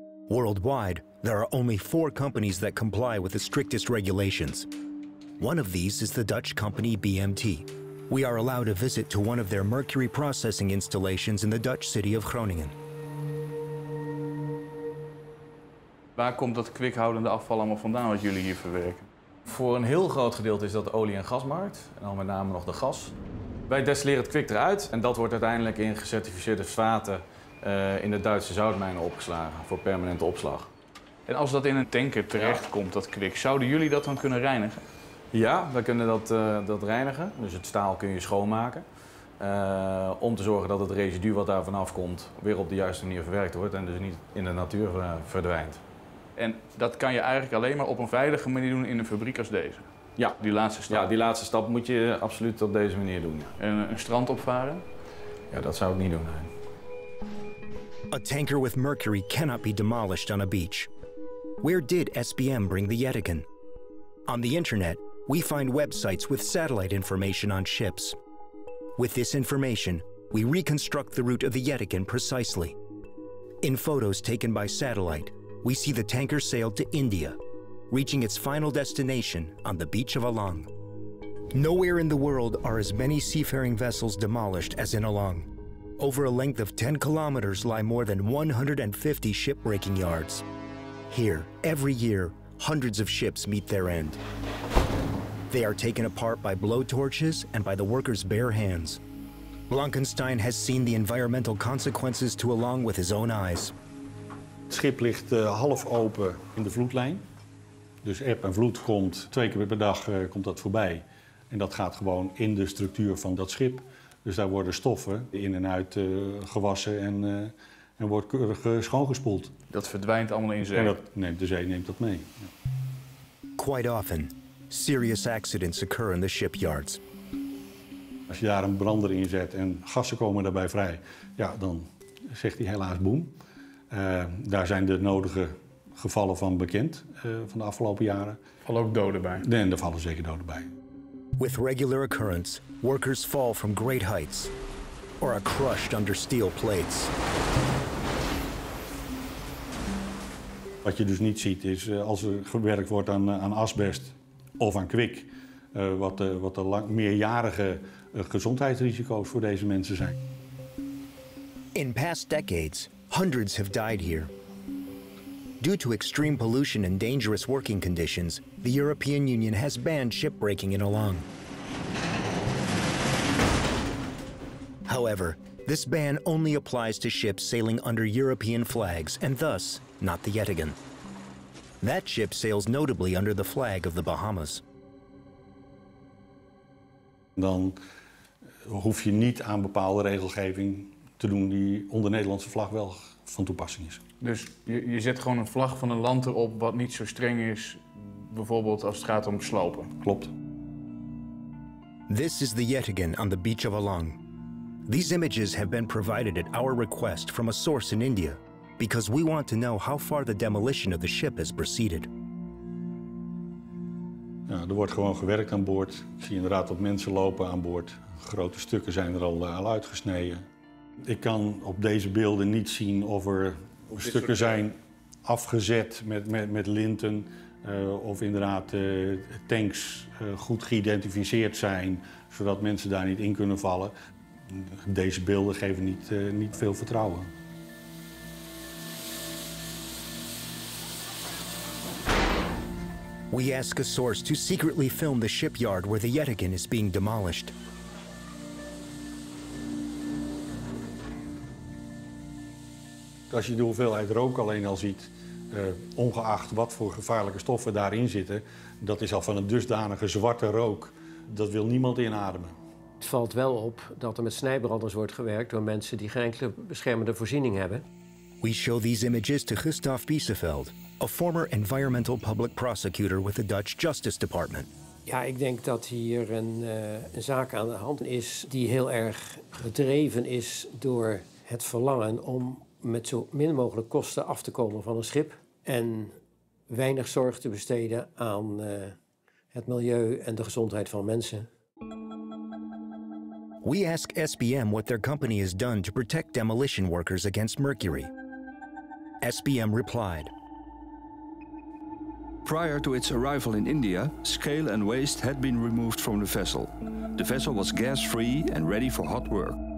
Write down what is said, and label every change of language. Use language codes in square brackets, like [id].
[en] Worldwide, there are only 4 companies that comply with the strictest regulations. One of these is the Dutch company BMT. We are allowed a visit to one of their mercury processing installations in the Dutch city of Groningen. [nl] Waar komt dat kwikhoudende afval allemaal vandaan wat jullie hier verwerken? Voor een heel groot gedeelte is dat de olie- en gasmarkt, en dan met name nog de gas. Wij destilleren het kwik eruit en dat wordt uiteindelijk in gecertificeerde vaten in de Duitse zoutmijnen opgeslagen voor permanente opslag. En als dat in een tanker terechtkomt, dat kwik, zouden jullie dat dan kunnen reinigen? Ja, wij kunnen dat reinigen. Dus het staal kun je schoonmaken. Om te zorgen dat het residu wat daar vanaf komt weer op de juiste manier verwerkt wordt en dus niet in de natuur verdwijnt. En dat kan je eigenlijk alleen maar op een veilige manier doen in een fabriek als deze? Ja, die laatste stap. Ja, die laatste stap moet je absoluut op deze manier doen. Ja. En een strand opvaren? Ja, dat zou ik niet doen. Nee. [en] A tanker with mercury cannot be demolished on a beach. Where did SBM bring the Yetagan? On the internet, we find websites with satellite information on ships. With this information, we reconstruct the route of the Yetagan precisely. In photos taken by satellite, we see the tanker sailed to India, reaching its final destination on the beach of Along. Nowhere in the world are as many seafaring vessels demolished as in Along. Over a length of 10 kilometers lie more than 150 shipbreaking yards. Here, every year, hundreds of ships meet their end. They are taken apart by blowtorches and by the workers' bare hands. Blankenstein has seen the environmental consequences to Along with his own eyes. [nl] Het schip ligt half open in de vloedlijn. Dus eb en vloed komt 2 keer per dag komt dat voorbij. En dat gaat gewoon in de structuur van dat schip. Dus daar worden stoffen in en uit gewassen en wordt keurig schoongespoeld. Dat verdwijnt allemaal in zee? En dat neemt, de zee neemt dat mee. Ja. [en] Quite often, serious accidents occur in the shipyards. [nl] Als je daar een brander in zet en gassen komen daarbij vrij, ja, dan zegt hij helaas boem. Daar zijn de nodige gevallen van bekend van de afgelopen jaren. Vallen ook doden bij? Nee, er vallen zeker doden bij. [en] With regular occurrence, workers fall from great heights or are crushed under steel plates. [nl] Wat je dus niet ziet is, als er gewerkt wordt aan asbest of aan kwik, wat de meerjarige gezondheidsrisico's voor deze mensen zijn. [en] In past decades, hundreds have died here. Due to extreme pollution and dangerous working conditions, the European Union has banned shipbreaking in Alang. However, this ban only applies to ships sailing under European flags and thus not the Yettingen. That ship sails notably under the flag of the Bahamas. [nl] Dan hoef je niet aan bepaalde regelgeving te doen die onder Nederlandse vlag wel van toepassing is. Dus je zet gewoon een vlag van een land erop wat niet zo streng is, bijvoorbeeld als het gaat om slopen. Klopt. [en] This is the Yettingen on the beach of Alang. These images have been provided at our request from a source in India, because we want to know how far the demolition of the ship has proceeded. [nl] Ja, er wordt gewoon gewerkt aan boord. Ik zie inderdaad wat mensen lopen aan boord. Grote stukken zijn er al uitgesneden. Ik kan op deze beelden niet zien of er stukken zijn afgezet met linten. Of inderdaad tanks goed geïdentificeerd zijn, zodat mensen daar niet in kunnen vallen. Deze beelden geven niet veel vertrouwen. [en] We ask a source to secretly film the shipyard where the Yettingen is being demolished. [nl] Als je de hoeveelheid rook alleen al ziet, ongeacht wat voor gevaarlijke stoffen daarin zitten, dat is al van een dusdanige zwarte rook. Dat wil niemand inademen. Het valt wel op dat er met snijbranders wordt gewerkt door mensen die geen enkele beschermende voorziening hebben. [en] We show these images to Gustav Biesefeld, a former environmental public prosecutor with the Dutch Justice Department. [nl] Ja, ik denk dat hier een zaak aan de hand is die heel erg gedreven is door het verlangen om met zo min mogelijk kosten af te komen van een schip en weinig zorg te besteden aan het milieu en de gezondheid van mensen. [en] We ask SBM what their company has done to protect demolition workers against mercury. SBM replied. Prior to its arrival in India, scale and waste had been removed from the vessel. The vessel was gas-free and ready for hot work.